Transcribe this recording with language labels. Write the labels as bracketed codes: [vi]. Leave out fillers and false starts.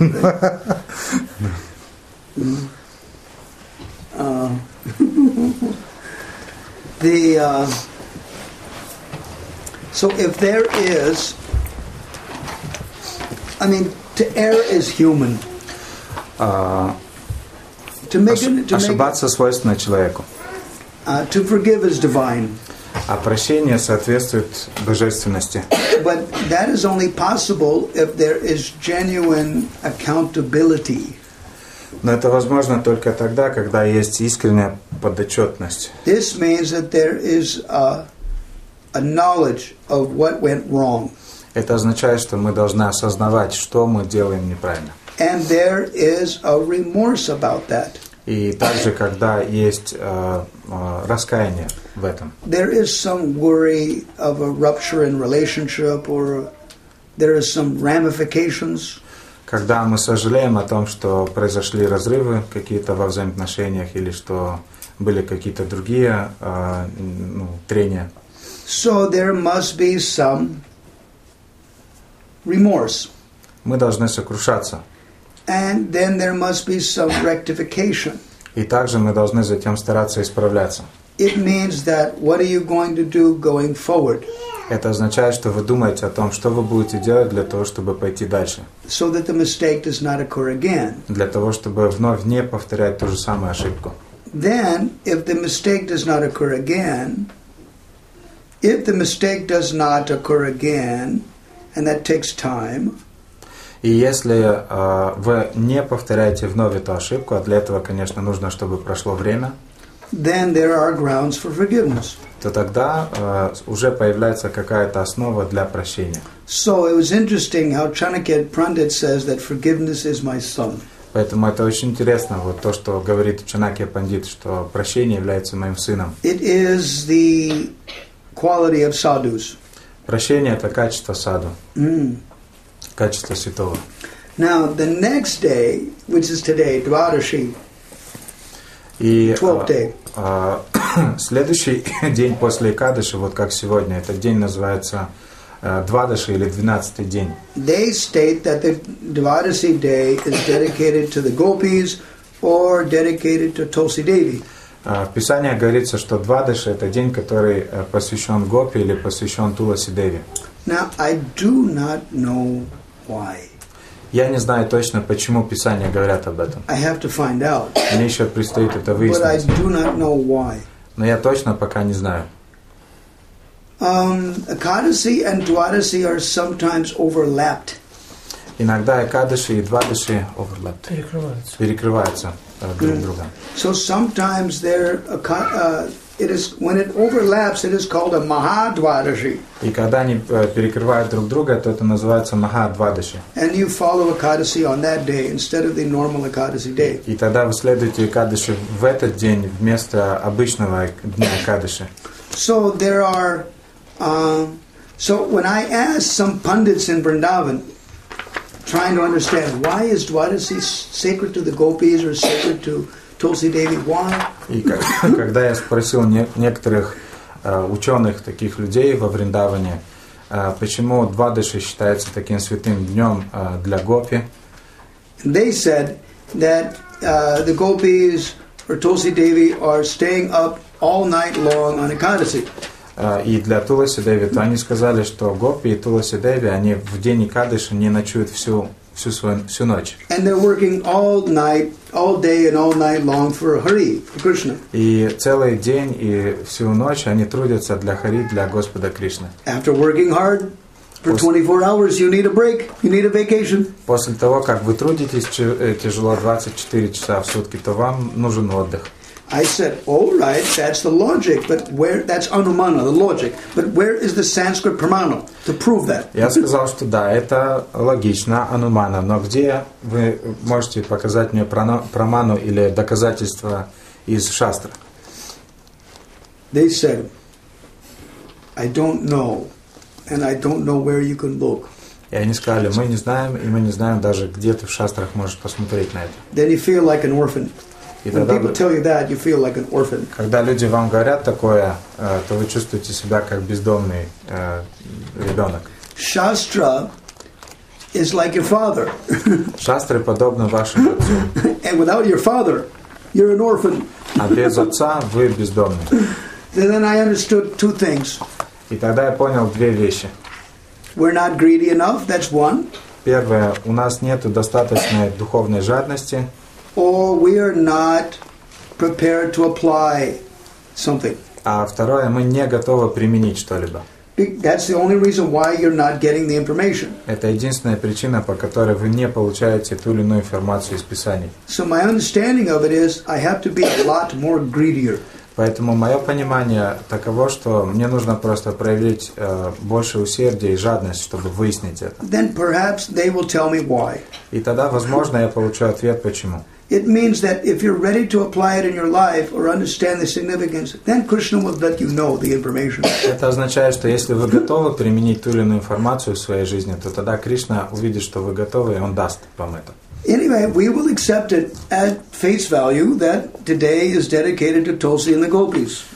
[en] Right? So if there is, I mean, to err is human. [ru] Ошибаться свойственно человеку. [en] To forgive is divine. [ru] А прощение соответствует божественности. [en] But that is only possible if there is genuine accountability. [ru] Но это возможно только тогда, когда есть искренняя подотчетность. [en] This means that there is a knowledge of what went wrong. [ru] Это означает, что мы должны осознавать, что мы делаем неправильно. [en] And there is a remorse about that. [ru] И также, когда есть раскаяние в этом. [en] There is some worry of a rupture in relationship, or there is some ramifications. [ru] Когда мы сожалеем о том, что произошли разрывы какие-то во взаимоотношениях или что были какие-то другие трения. [en] So there must be some remorse. [ru] Мы должны сокрушаться. [en] And then there must be some rectification. [ru] И также мы должны затем стараться исправляться. [en] It means that what are you going to do going forward? [ru] Это означает, что вы думаете о том, что вы будете делать для того, чтобы пойти дальше. [en] So that the mistake does not occur again. [ru] Для того, чтобы вновь не повторять ту же самую ошибку. [en] Then, if the mistake does not occur again, if the mistake does not occur again, and that takes time. [ru] И если вы не повторяете вновь эту ошибку, а для этого, конечно, нужно, чтобы прошло время. [en] Then there are grounds for forgiveness. [ru] То тогда уже появляется какая-то основа для прощения. [en] So it was interesting how Chanakya Pandit says that forgiveness is my son. [ru] Поэтому это очень интересно, вот то, что говорит Чанакья Пандит, что прощение является моим сыном. [en] It is the quality of sadhus. [ru] Прощение — это качество саду. Качество святого. [en] Now the next day, which is today, Dvadashi. 12th day. [ru] следующий день после Экадыши, вот как сегодня, этот день называется Двадаши или двенадцатый день. [en] They state that the Dvadasi day is dedicated to the gopis or dedicated to Tulsi Devi. [ru] В Писании говорится, что Двадаши — это день, который посвящен гопи или посвящен Туласи Деви. [en] Now, I do not know why. [ru] Я не знаю точно, почему Писание говорят об этом. [en] I have to find out. [ru] Мне еще предстоит это выяснить. [en] But I do not know why. [ru] Но я точно пока не знаю. [en] Экадаши and Двадаши are sometimes overlapped. [ru] Иногда Экадаши и Двадаши [en] overlapped. [ru] Перекрываются. [en] So sometimes there it is when it overlaps, it is called a Mahadvadashi. [ru] И когда они перекрывают друг друга, то это называется Mahadvadashi. [en] And you follow Ekadashi on that day instead of the normal Ekadashi day. [ru] И тогда вы следуете Ekadashi в этот день вместо обычного дня Ekadashi. [en] So there are so when I ask some pundits in Vrindavan, trying to understand why is Dvadasi sacred to the gopis or sacred to Tulsi Devi? Why? [ru] И когда я спросил некоторых ученых, таких людей во Вриндаване, почему Двадаши считается таким святым днем для гопи? [en] They said that the gopis or Tulsi Devi are staying up all night long on Ekadasi. [ru] И для Туласи Деви, то они сказали, что гопи и Туласи Деви, они в день Экадыши не ночуют всю ночь. [en] And they're working all night, all day and all night long for Hari, for Krishna. [ru] И целый день и всю ночь они трудятся для Хари, для Господа Кришны. [en] After working hard for 24 hours, you need a break, you need a vacation. [ru] После того, как вы трудитесь тяжело 24 часа в сутки, то вам нужен отдых. [en] I said, all right, that's the logic, but where, that's anumana, the logic, but where is the Sanskrit pramana to prove that? [ru] Я сказал, что да, это логично, анумана, но где вы можете показать мне праману или доказательство из шастры? [en] They said, I don't know, and I don't know where you can look. [ru] И они сказали, мы не знаем, и мы не знаем даже, где ты в шастрах можешь посмотреть на это. [en] Then you feel like an orphan. When people tell you that, you feel like an orphan. [ru] Когда люди вам говорят такое, то вы чувствуете себя как бездомный ребенок. [en] Shastra is like your father. [ru] Шастры подобны вашему отцу. [en] And without your father, you're an orphan. [ru] А без отца вы бездомный. [en] And then I understood two things. [ru] И тогда я понял две вещи. [en] We're not greedy enough. That's one. [ru] Первое, у нас нету достаточной духовной жадности. [en] Or we are not prepared to apply something. [ru] А второе, мы не готовы применить что-либо. [en] That's the only reason why you're not getting the information. [ru] Это единственная причина, по которой вы не получаете ту или иную информацию из Писаний. [en] So my understanding of it is, I have to be a lot more greedier. [ru] Поэтому мое понимание таково, что мне нужно просто проявить больше усердия и жадность, чтобы выяснить это. [en] Then perhaps they will tell me why. [ru] И тогда, возможно, я получу ответ, почему. [en] It means that if you're ready to apply it in your life or understand the significance, then Krishna will let you know the information. [ru] Это означает, что если вы готовы применить ту или иную информацию в своей жизни, то тогда Кришна увидит, что вы готовы, и он даст вам это. [en] Anyway, we will accept it at face value that today is dedicated to Tulsi and the Gopis.